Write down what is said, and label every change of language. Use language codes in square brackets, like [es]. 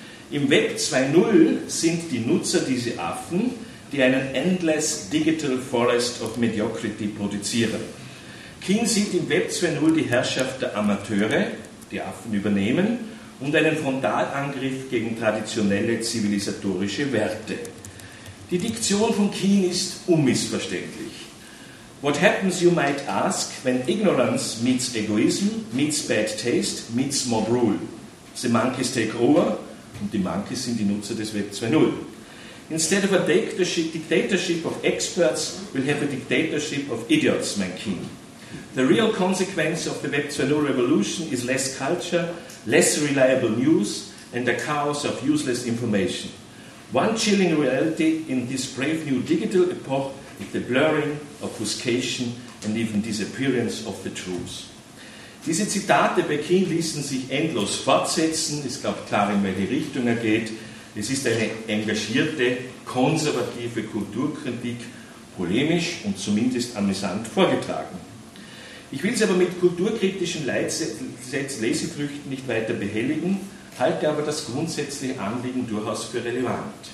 [de] Im Web 2.0 sind die Nutzer diese Affen, die einen [en] endless digital forest of mediocrity [de] produzieren. King sieht im Web 2.0 die Herrschaft der Amateure, die Affen übernehmen, und einen Frontalangriff gegen traditionelle zivilisatorische Werte. Die Diktion von King ist unmissverständlich. [en] What happens, you might ask, when ignorance meets egoism, meets bad taste, meets mob rule? The monkeys take over, [de] und die Monkeys sind die Nutzer des Web 2.0. [en] Instead of a dictatorship of experts, we'll have a dictatorship of idiots, [de] mein King. [en] The real consequence of the Web 2.0 revolution is less culture, less reliable news, and the chaos of useless information. One chilling reality in this brave new digital epoch is the blurring, obfuscation and even disappearance of the truth. [de] Diese Zitate bei King ließen sich endlos fortsetzen. Es gab klar, in welche Richtung er geht. Es ist eine engagierte, konservative Kulturkritik, polemisch und zumindest amüsant vorgetragen. Ich will es aber mit kulturkritischen Lesefrüchten nicht weiter behelligen, halte aber das grundsätzliche Anliegen durchaus für relevant.